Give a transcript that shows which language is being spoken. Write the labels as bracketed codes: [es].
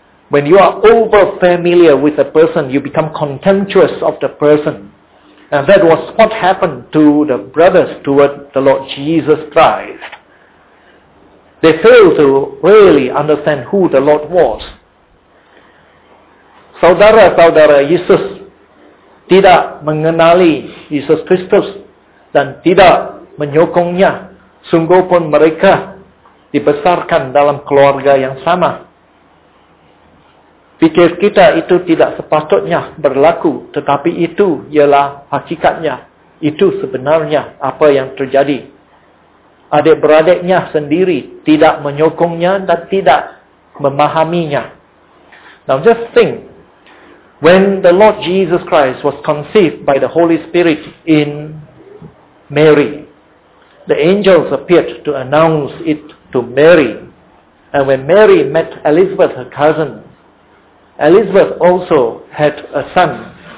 [en] When you are over familiar with a person, you become contemptuous of the person. And that was what happened to the brothers toward the Lord Jesus Christ. They failed to really understand who the Lord was. [ms] Saudara-saudara Yesus tidak mengenali Yesus Kristus dan tidak menyokongnya. Sungguh pun mereka dibesarkan dalam keluarga yang sama. Pikir kita itu tidak sepatutnya berlaku, tetapi itu ialah hakikatnya. Itu sebenarnya apa yang terjadi. Adik-beradiknya sendiri tidak menyokongnya dan tidak memahaminya. [en] Now just think. When the Lord Jesus Christ was conceived by the Holy Spirit in Mary, the angels appeared to announce it to Mary. And when Mary met Elizabeth, her cousin, Elizabeth also had a son.